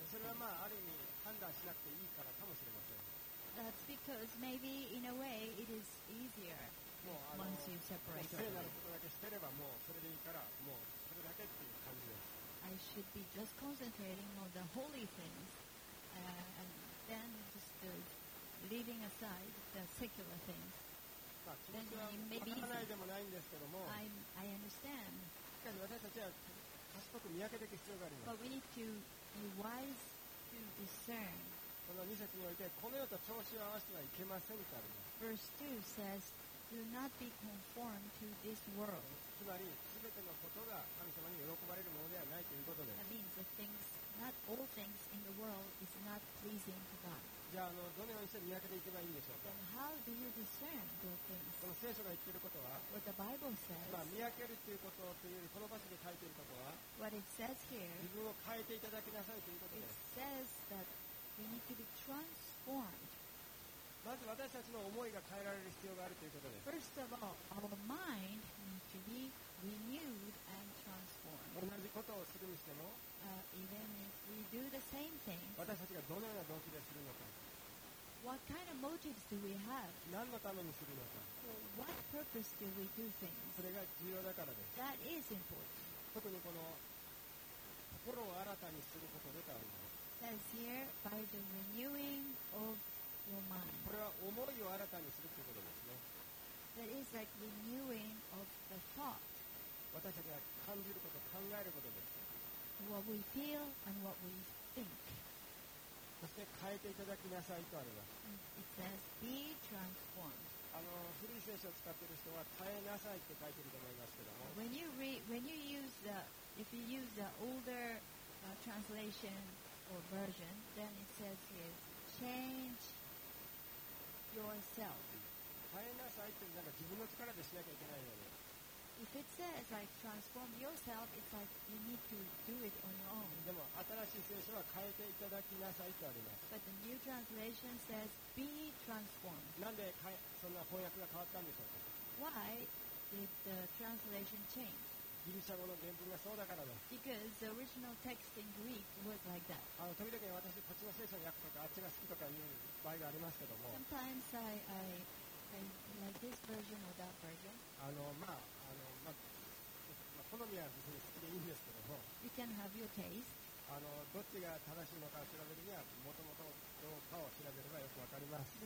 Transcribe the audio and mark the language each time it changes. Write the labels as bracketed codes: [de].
[en] That's because maybe in a way it is easier once you separate. I should be just concentrating on the holy things, and then just leaving aside the secular things. [ja] まあ、気持ちは分からないでもないんですけども、 [en] I understand. [ja] しかし私たちは賢く見分けていく必要があります。 [en] But we need to be wise to discern. [ja] この2節においてこの世と調子を合わせてはいけませんとあります。 [en] Verse 2 says, Do not be conformed to this world. [ja] つまり全てのことが神様に喜ばれるものではないということです。 [en] That means the things, not all things in the world is not pleasing to God. [ja] じゃあどのようにして見分けていけばいいんでしょうか。 [en] How do you discern those things? [ja] この聖書が言っていることは、 [en] What the Bible says, [ja] まあ見分けるということというよりこの場所で書いていることは、 [en] What it says here, [ja] 自分を変えていただきなさいということです。 [en] It says that we need to be transformed. [ja] まず私たちの思いが変えられる必要があるということです。 [en] First of all, our mind needs to be renewed and transformed. [ja] 同じことをするにしても、 [en] Even if we do the same thing, [ja] 私たちがどのような動機でするのか、 [en] What kind of motives do we have? [ja] 何のためにするのか、 [en] What purpose do we do things? [ja] それが重要だからです。 [en] That is important. [ja] 特にこの心を新たにすることでとあります。 [en] It says here, by the renewing of your mind. [ja] これは思いを新たにするということですね。 [en] That is like renewing of the thought. [ja] 私たちが感じること、考えることです。 [en] What we feel and what we think. [ja] そして変えていただきなさいとあります。 [en] It says be transformed. [ja] 古い聖書を使っている人は変えなさいって書いていると思いますけども、 [en] if you use the older translation or version, then it says here, change yourself. [ja] 変えなさいってなんか自分の力でしなきゃいけないよね。 [en] If it says like transform yourself, it's like you need to do it on your own. [ja] でも新しい聖書は変えていただきなさいとあります。 [en] But the new translation says be transformed. [ja] なんでそんな翻訳が変わったんでしょうか。 [en] Why did the translation change? [ja] ギリシャ語の原文がそうだからです。 [en] Because the original text in Greek was like that. [ja] 時々私こっちの聖書を訳すとかあっちが好きとかいう場合がありますけども。 [en] Sometimes I like this version or that version. [ja] まあ、好みは別に好きでいいんですけども、 [en] you can have your taste. [ja] どっちが正しいのかを調べるには、もともとどうかを調べればよくわかります。